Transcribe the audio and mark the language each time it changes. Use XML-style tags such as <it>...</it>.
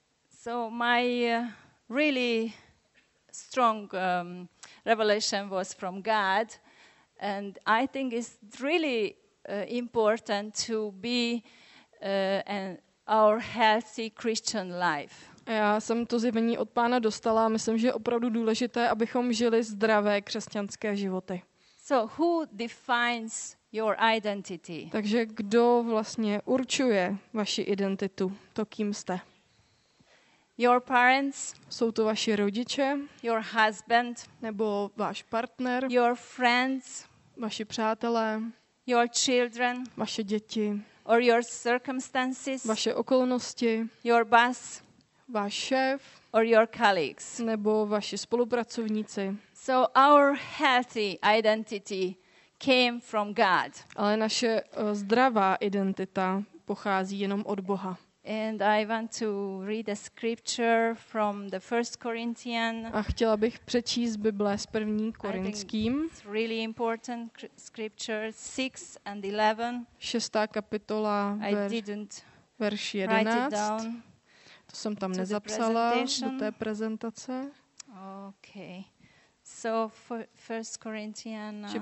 <en>So my really strong revelation was from God, and I think it's really important to be an our healthy Christian life.</en> <cs>Já jsem to zjevení od Pána dostala a myslím, že je opravdu důležité, abychom žili zdravé křesťanské životy.</cs> <en>So who defines your identity?</en> <cs>Takže kdo vlastně určuje vaši identitu, to kým jste?</cs> <en>Your parents,</en> <cs>jsou to vaši rodiče,</cs> <en>your husband,</en> <cs>nebo váš partner,</cs> <en>your friends,</en> <cs>vaši přátelé,</cs> <en>your children,</en> <cs>vaše děti,</cs> <en>or your circumstances,</en> <cs>vaše okolnosti,</cs> <en>your boss,</en> <cs>váš šéf,</cs> <en>or your colleagues,</en> <cs>nebo vaši spolupracovníci.</cs> <en>So our healthy identity came from God.</en> <cs>Ale naše zdravá identita pochází jenom od Boha.</cs> <en>And I want to read a scripture from the First Corinthians.</en> <cs>A chtěla bych přečíst Bible z první Korinským.</cs> <en>It's really important scripture 6 and 11.</en> <cs>6. kapitola verš 11. To jsem tam nezapsala do té prezentace.</cs> <en>Okay. So First Corinthians.</en>